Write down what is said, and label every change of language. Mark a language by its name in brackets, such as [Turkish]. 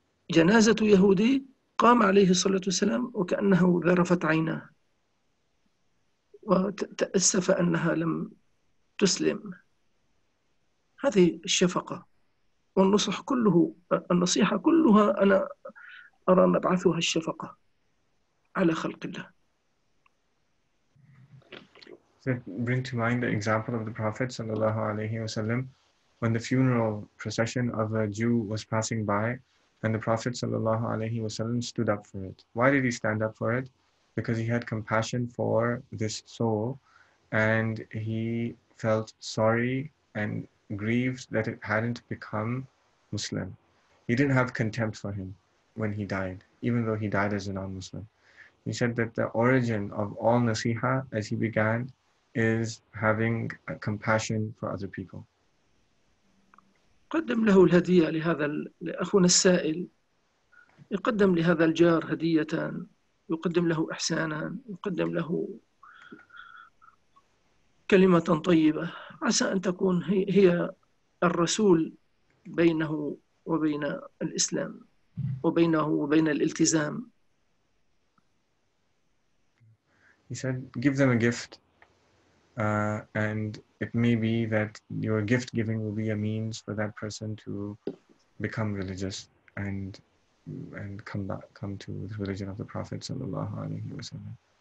[Arabic] جنازة يهودي قام عليه الصلاة والسلام وكأنه ذرفت عيناه وتأسف أنها لم تسلم هذه الشفقة والنصح كله النصيحة كلها أنا أرى مبعثها الشفقة ala khalq Allah. [English] Bring to mind the example of the Prophet sallallahu alaihi wasallam, when the funeral procession of a Jew was passing by, and the Prophet sallallahu alaihi wasallam stood up for it. Why did he stand up for it? Because he had compassion for this soul, and he felt sorry and grieved that it hadn't become Muslim. He didn't have contempt for him when he died, even though he died as a non-Muslim. He said that the origin of all nasiha, as he began, is having a compassion for other people. [Arabic] قدم له الهدية لهذا لأخونا السائل يقدم لهذا الجار هدية يقدم له إحسانا يقدم له كلمة طيبة عسى أن تكون هي الرسول بينه وبين الإسلام وبينه وبين الالتزام. [English] He said, give them a gift. And it may be that your gift giving will be a means for that person to become religious and come back, come to the religion of the Prophet sallallahu alaihi wasallam.